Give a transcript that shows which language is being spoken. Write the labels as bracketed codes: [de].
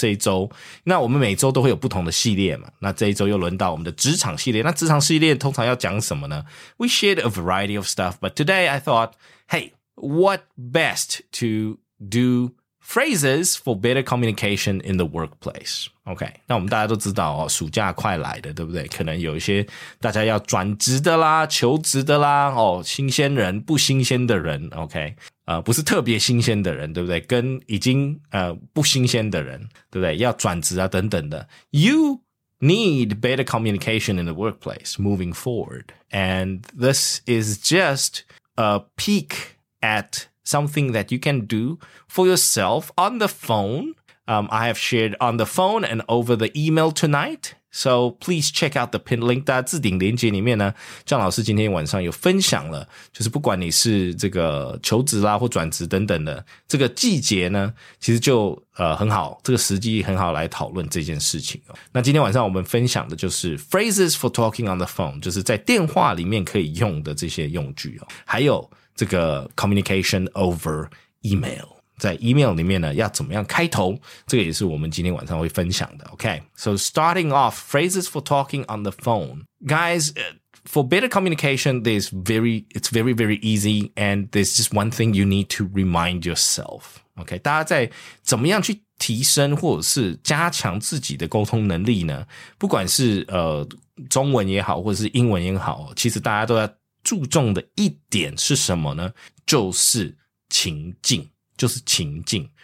[zh] 这一周，那我们每周都会有不同的系列嘛。那这一周又轮到我们的职场系列。那职场系列通常要讲什么呢？ [en] We shared a variety of stuff, but today I thought, hey, what best to do phrases for better communication in the workplace? [zh] OK, 那我们大家都知道哦，暑假快来的，对不对？可能有一些大家要转职的啦，求职的啦，哦，新鲜人，不新鲜的人 ,OK, 不是特别新鲜的人，对不对？跟已经不新鲜的人，对不对？要转职啊等等的。 [en] You need better communication in the workplace moving forward. And this is just a peek at something that you can do for yourself on the phone. I have shared on the phone and over the email tonight. So please check out the pinned link. [zh] 大家置顶连结里面呢，张老师今天晚上有分享了，就是不管你是这个求职啦或转职等等的这个季节呢，其实就很好，这个时机很好来讨论这件事情。那今天晚上我们分享的就是 [en] phrases for talking on the phone, [zh] 就是在电话里面可以用的这些用句，还有这个 [en] communication over email. [zh] 在 email 里面呢要怎么样开头，这个也是我们今天晚上会分享的。 [en] OK, so starting off, phrases for talking on the phone. Guys, for better communication, it's very, very easy, and there's just one thing you need to remind yourself. [zh] OK, 大家在怎么样去提升或者是加强自己的沟通能力呢？不管是中文也好或者是英文也好，其实大家都要注重的一点是什么呢？就是情境。就是情境。